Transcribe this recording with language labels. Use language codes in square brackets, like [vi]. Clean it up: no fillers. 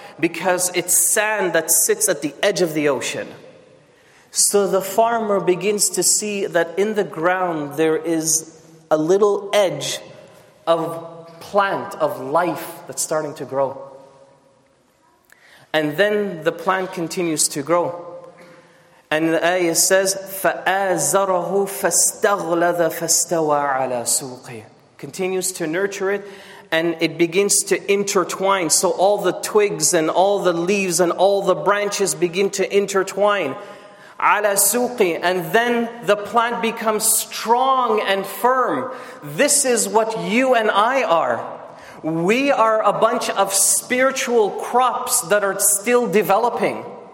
[en] because it's sand that sits at the edge of the ocean. So the farmer begins to see that in the ground there is a little edge of plant, of life that's starting to grow. And then the plant continues to grow. And the ayah says, [ar] فَآزَرَهُ فَاسْتَغْلَذَ فَاسْتَوَى عَلَى سُوقِهِ. [en] Continues to nurture it, and it begins to intertwine. So all the twigs and all the leaves and all the branches begin to intertwine. [ar] عَلَى سُوقِهِ. [en] And then the plant becomes strong and firm. This is what you and I are. We are a bunch of spiritual crops that are still developing.